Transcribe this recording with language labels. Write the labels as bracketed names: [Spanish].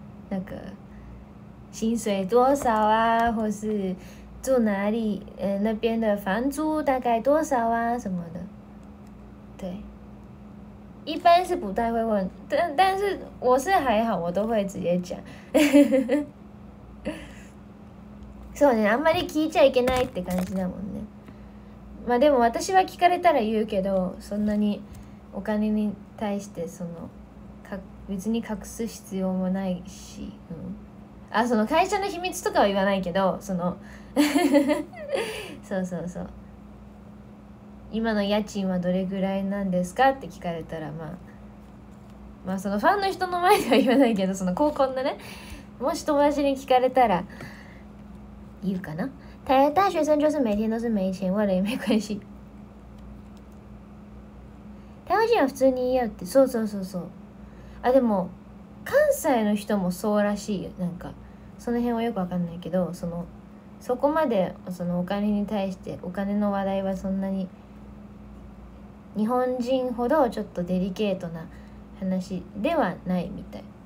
[Chinese] 那个薪水多少啊，或是住哪里，那边的房租大概多少啊什么的。对，一般是不太会问，但是我是还好，我都会直接讲。 [Japanese] そうね、あんまり聞いちゃいけないって感じだもんね。まあでも私は聞かれたら言うけど、そんなにお金に対してその別に隠す必要もないし、うん、あ、その会社の秘密とかは言わないけど、そのそうそうそう、今の家賃はどれぐらいなんですかって聞かれたら、まあそのファンの人の前では言わないけど、その高校のね、もし友達に聞かれたら言うかな。 [Chinese] 台湾大学生就是每天都是没钱，为了也没关系。 [Japanese] 台湾人は普通に言い合うって、そうそうそうそう。あ、でも関西の人もそうらしいよ。なんかその辺はよくわかんないけど、そのそこまでそのお金に対して、お金の話題はそんなに日本人ほどちょっとデリケートな話ではないみたい。